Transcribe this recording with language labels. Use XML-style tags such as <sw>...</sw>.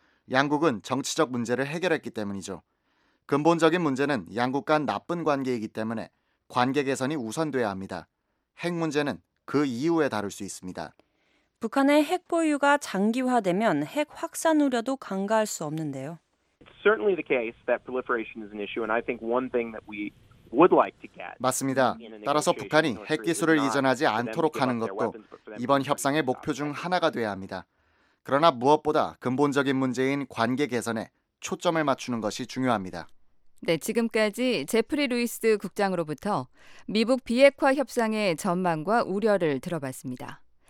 <ko>양국은 정치적 문제를 해결했기 때문이죠. 근본적인 문제는 양국 간 나쁜 관계이기 때문에 관계 개선이 우선돼야 합니다. 핵 문제는 그 이후에 다룰 수 있습니다. 북한의 핵 보유가 장기화되면 핵 확산 우려도 간과할 수 없는데요.</ko> <en>Certainly the case that proliferation is an issue, and I think one thing that we would like to get.</en> <ko>맞습니다. 따라서 북한이 핵 기술을 이전하지 않도록 하는 것도 이번 협상의 목표 중 하나가 돼야 합니다. 그러나 무엇보다 근본적인 문제인 관계 개선에 초점을 맞추는 것이 중요합니다. 네, 지금까지 제프리 루이스 국장으로부터 미북 비핵화 협상의 전망과 우려를 들어봤습니다.</ko>